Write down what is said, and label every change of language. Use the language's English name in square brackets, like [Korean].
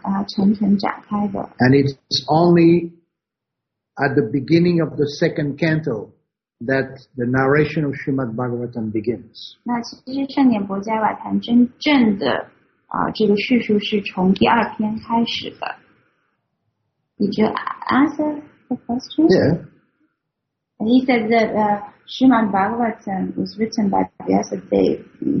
[English] and it's only at the beginning of the second canto that the narration of Srimad Bhagavatam begins. [Chinese] 那其实圣典伯加瓦坛真正的, 这个叙述是从第二篇开始的。 [English] Did you answer the question? Yeah. And he said that Srimad Bhagavatam was written by Vyasadeva.